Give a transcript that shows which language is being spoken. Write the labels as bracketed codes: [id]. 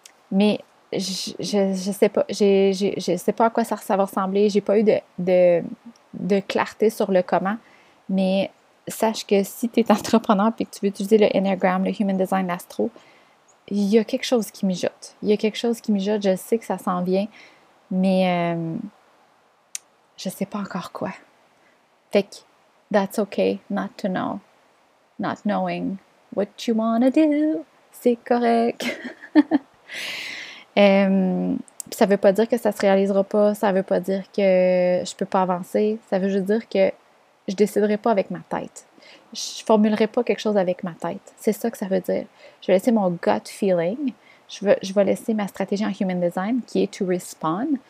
[fr] Mais je sais pas à quoi ça va ressembler, j'ai pas eu de clarté sur le comment, mais sache que si tu es entrepreneur et que tu veux utiliser le Enneagram, le Human Design, l'Astro, il y a quelque chose qui mijote. Il y a quelque chose qui mijote. Je sais que ça s'en vient, mais je ne sais pas encore quoi. Fait que, [en] that's okay not to know. Not knowing what you wanna do. [fr] C'est correct. ça ne veut pas dire que ça ne se réalisera pas. Ça ne veut pas dire que je ne peux pas avancer. Ça veut juste dire que je ne déciderai pas avec ma tête. Je formulerai pas quelque chose avec ma tête. C'est ça que ça veut dire. Je vais laisser mon [en] gut feeling. [fr] Je vais laisser ma stratégie en human design, qui est [en] to respond.